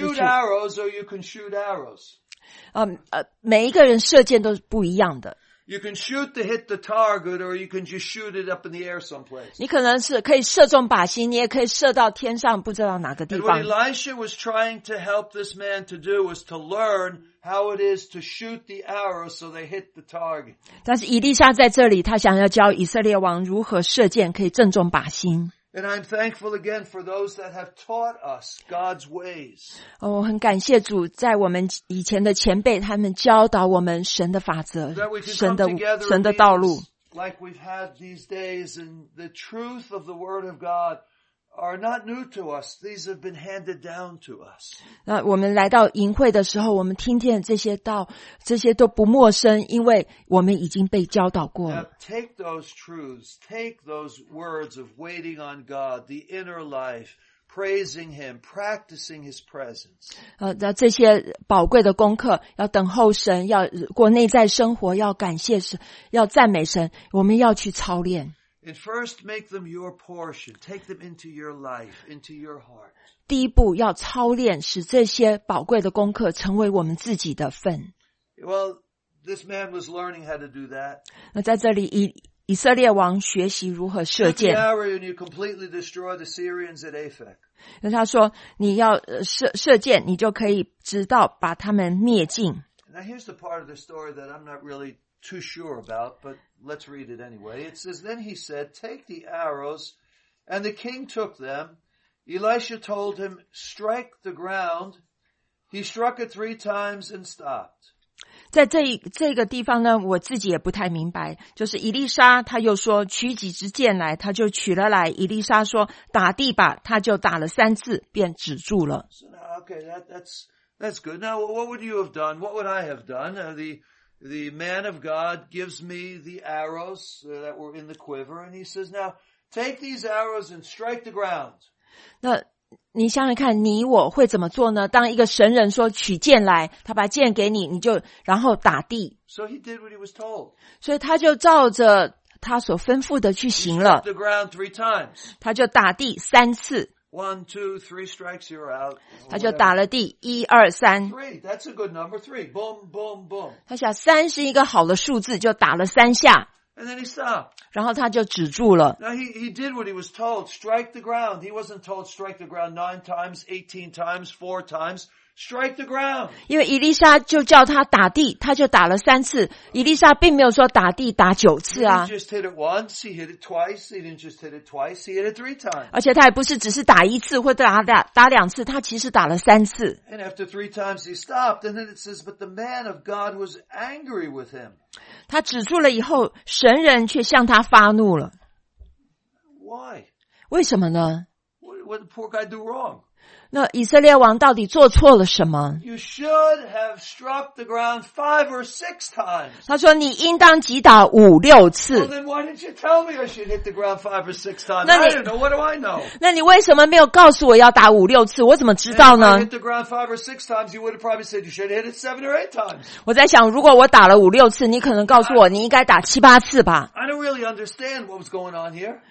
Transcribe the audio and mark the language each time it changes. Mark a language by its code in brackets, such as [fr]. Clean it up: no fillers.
[en] You can shoot arrows, or you can shoot arrows. [zh] 每一个人射箭都是不一样的。 [en] You can shoot to hit the target, or you can just shoot it up in the air someplace. [zh] 你可能是可以射中靶心，你也可以射到天上，不知道哪个地方。 [en] And what Elisha was trying to help this man to do was to learn how it is to shoot the arrow so they hit the target. [zh] 但是以利沙在这里，他想要教以色列王如何射箭，可以正中靶心。 [en] And I'm thankful again for those that have taught us God's ways. [zh] 我很感谢主，在我们以前的前辈，他们教导我们神的法则，神的道路。 [en] Like we've had these days, and the truth of the Word of God are not new to us. These have been handed down to us. [zh] 那我们来到营会的时候，我们听见这些道，这些都不陌生，因为我们已经被教导过了。 [en] Now, take those truths, take those words of waiting on God, the inner life, praising Him, practicing His presence. [zh] 那这些宝贵的功课，要等候神，要过内在生活，要感谢神，要赞美神，我们要去操练。 [en] And first, make them your portion. Take them into your life, into your heart. [zh] 第一步要操练，使这些宝贵的功课成为我们自己的份。 [en] Well, this man was learning how to do that. [zh] 那在这里，以色列王学习如何射箭。 [en] Shoot the arrow and you completely destroy the Syrians at Aphek. [zh] 那他说，你要射箭，你就可以直到把他们灭尽。 [en] Now here's the part of the story that I'm not really too sure about, but let's read it anyway. It says, then he said, take the arrows, and the king took them. Elisha told him, strike the ground. He struck it 3 times and stopped. [zh] 在这个地方呢，我自己也不太明白。就是以利沙他又说，取几支箭来，他就取了来。以利沙说，打地吧，他就打了3次，便止住了。 [en] So now, okay, that's good. Now, what would you have done? What would I have done? The man of God gives me the arrows that were in the quiver, and he says, now, take these arrows and strike the ground. [zh] 那你想想看，你我会怎么做呢？当一个神人说取箭来，他把箭给你，你就然后打地。 [en] So he did what he was told. [zh] 所以他就照着他所吩咐的去行了。 [en] He struck the ground 3 times. [zh] 他就打地3次。 [en] 1, 2, 3 strikes, you're out. [zh] 他就打了第一二三。 [en] 3, that's a good number. 3, boom, boom, boom. [zh] 他想三是一个好的数字，就打了3下。 [en] And then he stopped. [zh] 然后他就止住了。 [en] Now he did what he was told. Strike the ground. He wasn't told strike the ground 9 times, 18 times, 4 times. strike the ground. [zh] 因为伊丽莎就叫他打地，他就打了三次。伊丽莎并没有说打地打九次啊。 [en] He didn't just hit it once, he hit it twice, he didn't just hit it twice, he hit it three times. [zh] 而且他也不是只是打一次或打两次，他其实打了三次。 [en] And after three times he stopped, and then it says, but the man of God was angry with him. [zh] 他止住了以后，神人却向他发怒了。 [en] Why? [zh] 为什么呢？ [en] What did the poor guy do wrong? [zh] 那以色列王到底做错了什么？ [en] You should have struck the ground five or six times. [zh] 他说你应当击打五六次。 [en] Well, then why didn't you tell me I should hit the ground five or six times? I don't know. What do I know? [zh] 那你为什么没有告诉我要打五六次？我怎么知道呢？ [en] If I hit the ground five or six times, you would have probably said you should hit it seven or eight times. [zh] 我在想，如果我打了五六次，你可能告诉我你应该打七八次吧。 [en] I don't really understand what was going on here.